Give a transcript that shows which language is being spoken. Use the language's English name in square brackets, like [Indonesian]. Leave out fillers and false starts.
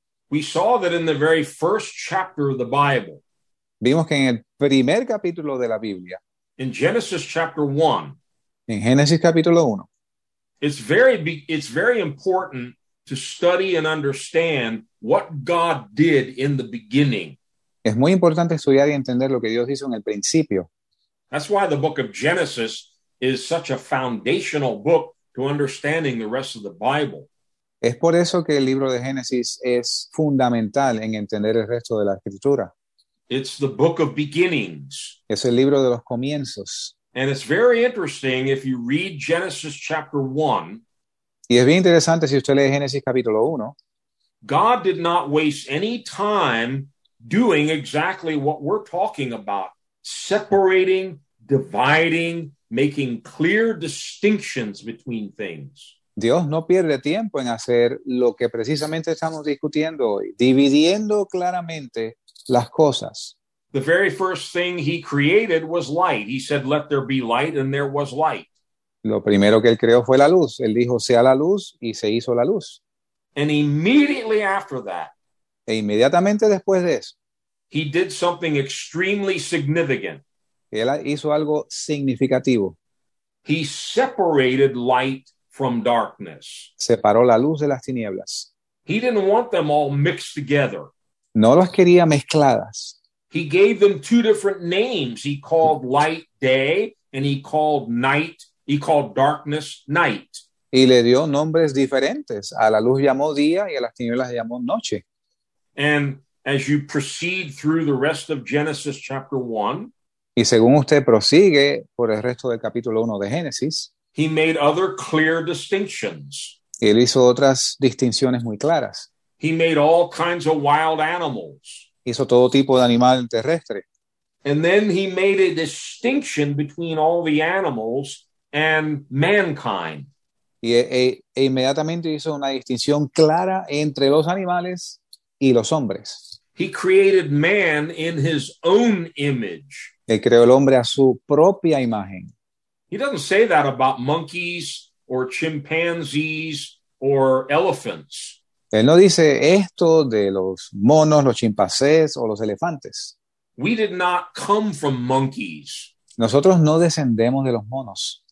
[English] We saw that in the very first chapter of the Bible. [Spanish] Vimos que en el primer capítulo de la Biblia. [English] In Genesis chapter 1. [Spanish] En Génesis capítulo 1. [English] It's very important to study and understand what God did in the beginning. [Spanish] Es muy importante estudiar y entender lo que Dios hizo en el principio. [English] That's why the book of Genesis is such a foundational book to understanding the rest of the Bible. [Spanish] Es por eso que el libro de Génesis es fundamental en entender el resto de la escritura. [English] It's the book of beginnings. [Spanish] Es el libro de los comienzos. [English] And it's very interesting if you read Genesis chapter 1. [Spanish] Y es bien interesante si usted lee Génesis capítulo 1. [English] God did not waste any time doing exactly what we're talking about. Separating, dividing, making clear distinctions between things. [Spanish] Dios no pierde tiempo en hacer lo que precisamente estamos discutiendo hoy, dividiendo claramente las cosas. [English] The very first thing he created was light. He said, let there be light, and there was light. [Spanish] Lo primero que él creó fue la luz. Él dijo, sea la luz, y se hizo la luz. [English] And immediately after that, [Spanish] e inmediatamente después de eso, [English] he did something extremely significant. [Spanish] Él hizo algo significativo. [English] He separated light from darkness. [Spanish] Separó la luz de las tinieblas. [English] He didn't want them all mixed together. [Spanish] No las quería mezcladas. [English] He gave them two different names. He called light day and he called night. He called darkness night. [Spanish] Y le dio nombres diferentes. A la luz llamó día y a las tinieblas llamó noche. [English] And as you proceed through the rest of Genesis chapter 1, [Spanish] y según usted prosigue por el resto del capítulo 1 de Génesis, [English] he made other clear distinctions. [Spanish] Él hizo otras distinciones muy claras. [English] He made all kinds of wild animals. [Spanish] Hizo todo tipo de animal terrestre. [English] And then he made a distinction between all the animals and mankind. [Spanish] Y inmediatamente hizo una distinción clara entre los animales y los hombres. [English] He created man in his own image. [Spanish] Él creó el hombre a su propia imagen. [English] He doesn't say that about monkeys or chimpanzees or elephants. [Spanish] Él no dice esto de los monos, los chimpancés o los elefantes. [English] We did not come from monkeys. [Spanish] Nosotros no descendemos de los monos.